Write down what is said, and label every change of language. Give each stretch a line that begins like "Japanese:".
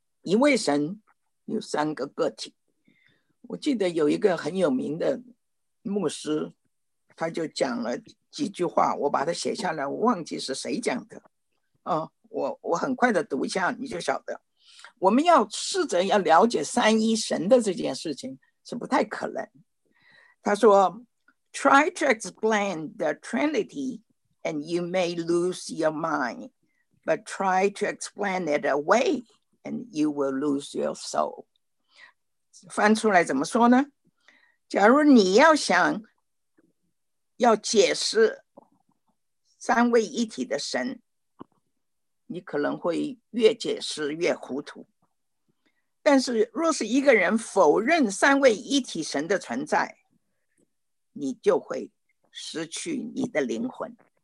Chinese: 一位神有三个个体。我记得有一个很有名的牧师，他就讲了几句话，我把它写下来，我忘记是谁讲的，啊，我很快的读一下，你就晓得。我们要试着要了解三一神的这件事情是不太可能。
English: 他说 ，Try to explain the Trinity, and you may lose your mind, but try to explain it away, and you will lose your soul。
Chinese: 翻出来怎么说呢？假如你要想要解释三位一体的神，你可能会越解释越糊涂。但是若是一个人否认三位一体神的存在，你就会失去你的灵魂。